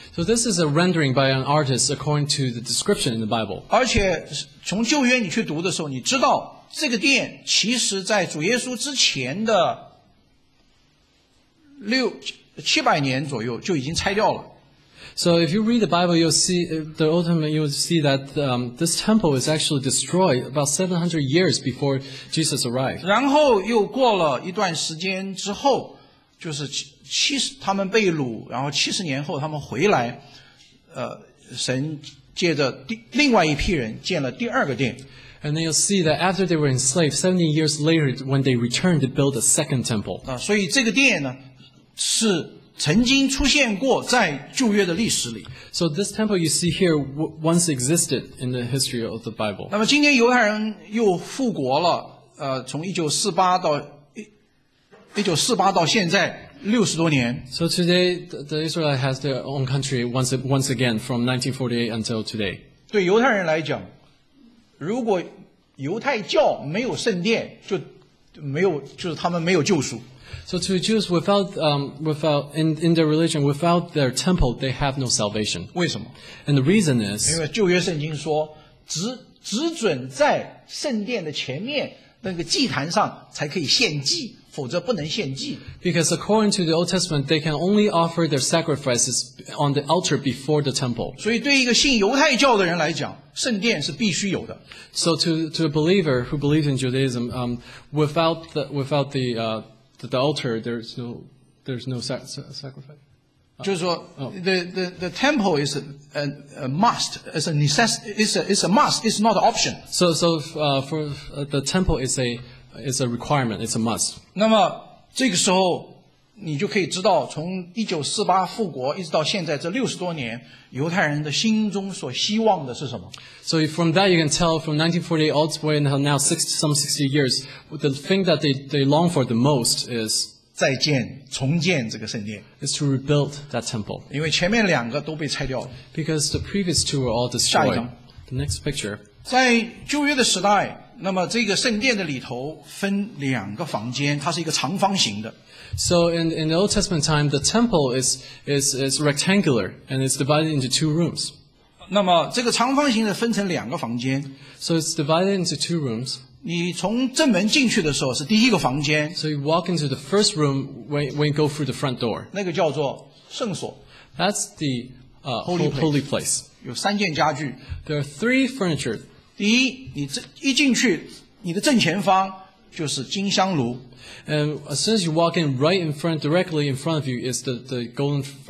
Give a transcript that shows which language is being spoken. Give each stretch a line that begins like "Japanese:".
English: So this is a rendering by an artist according to the description in the Bible.
Chinese: 而且从旧约你去读的时候，你知道这个殿其实在主耶稣之前的700年左右就已经拆掉了。
English: So if you read the Bible, you'll see the Old Testament. You'll see that this temple is actually destroyed about 700 years before Jesus arrived.
Chinese: 然后又过了一段时间之后，就是他们被掳，然后70年后他们回来，神借着另外一批人建了第二个殿。
English: And then you'll see that after they were enslaved, 70 years later, when they returned to build a second temple.
Chinese: 所以这个殿呢是曾经出现过在旧约的历史里。
English: So this temple you see here once existed in the history of the Bible.
Chinese: 那么今天犹太人又复国了，从1948到现在60多年。
English: So today the Israelite has their own country once again from 1948 until today.
Chinese: 对犹太人来讲，如果犹太教没有圣殿，就没有，就是他们没有救赎。
English: So to Jews, without their religion, without their temple, they have no salvation.
Chinese: 为什么？
English: And the reason is,
Chinese: 因为旧约圣经说，只准在圣殿的前面那个祭坛上才可以献祭，否则不能献祭。
English: Because according to the Old Testament, they can only offer their sacrifices on the altar before the temple.
Chinese: 所以对一个信犹太教的人来讲，圣殿是必须有的。
English: So to a believer who believes in Judaism, without the altar, there's no sacrifice.
Chinese: 就是说
English: the temple is a must, is a necessity, is a must, it's not an option. So for the temple is a requirement, it's a must.
Chinese: 那么这个时候你就可以知道，从1948复国一直到现在这60多年，犹太人的心中所希望的是什么？
English: So from that you can tell from 1948 all the way until now some 60 years, the thing that they long for the most is
Chinese: 再建重建这个圣殿，
English: is to rebuild that temple.
Chinese: 因为前面两个都被拆掉了。
English: Because the previous two were all destroyed.
Chinese: 下一张。
English: The next picture.
Chinese: 在旧约的时代，那么这个圣殿的里头分两个房间，它是一个长方形的。
English: So in the Old Testament time, the temple is rectangular and it's divided into two rooms.
Chinese: 那么这个长方形的分成两个房间。
English: So it's divided into two rooms.
Chinese: 你从正门进去的时候是第一个房间。
English: So you walk into the first room when you go through the front door.
Chinese: 那个叫做圣所。
English: That's the holy place.
Chinese: 有三件家具。
English: There are three furniture.
Chinese: 第一，你一进去，你的正前方就是金香炉。
English: And as soon as you walk in, right in front, directly in front of you is the golden